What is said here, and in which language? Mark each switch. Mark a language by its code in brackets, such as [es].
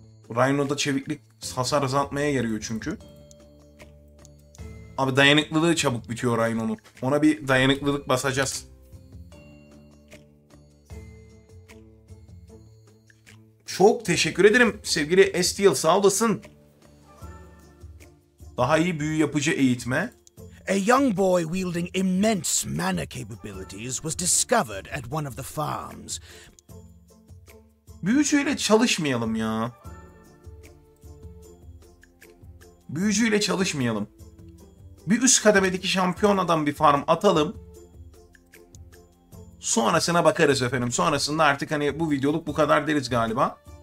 [tr] Rhino'da çeviklik hasar azaltmaya yarıyor çünkü. Abi dayanıklılığı çabuk bitiyor Rhino'nun. Ona bir dayanıklılık basacağız. Çok teşekkür ederim sevgili Estiel, sağ olasın. Daha iyi büyü yapıcı eğitme. [en] A young boy wielding immense mana capabilities was discovered at one of the farms. [tr] Büyücüyle çalışmayalım ya. Büyücüyle çalışmayalım. Bir üst kademedeki şampiyonadan bir farm atalım. Sonrasına bakarız efendim. Sonrasında artık hani bu videoluk bu kadar deriz galiba.